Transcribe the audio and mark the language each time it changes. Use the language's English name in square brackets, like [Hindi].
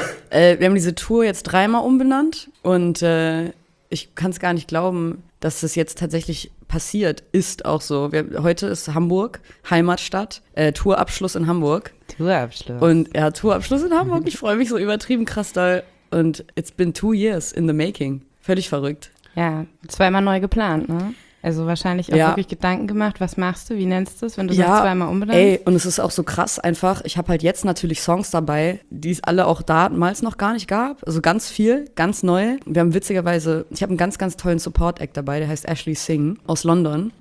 [German] Wir haben diese Tour jetzt 3-mal umbenannt und ich kann es gar nicht glauben, dass es jetzt tatsächlich passiert ist auch so. Heute ist Hamburg, Heimatstadt, Tourabschluss in Hamburg. Tourabschluss. Und ja, Tourabschluss in Hamburg. Ich freue mich so übertrieben krass doll. Und [English] it's been 2 years in the making. [German] Völlig verrückt. Ja, 2-mal neu geplant, ne? Also wahrscheinlich auch wirklich Gedanken gemacht, was machst du, wie nennst du es, wenn du ja, sagst 2-mal umbenannt? Ey, und es ist auch so krass einfach, ich habe halt jetzt natürlich Songs dabei, die es alle auch damals noch gar nicht gab, also ganz viel, ganz neu. Wir haben witzigerweise, ich habe einen ganz, ganz tollen Support-Act dabei, der heißt Ashley Singh aus London.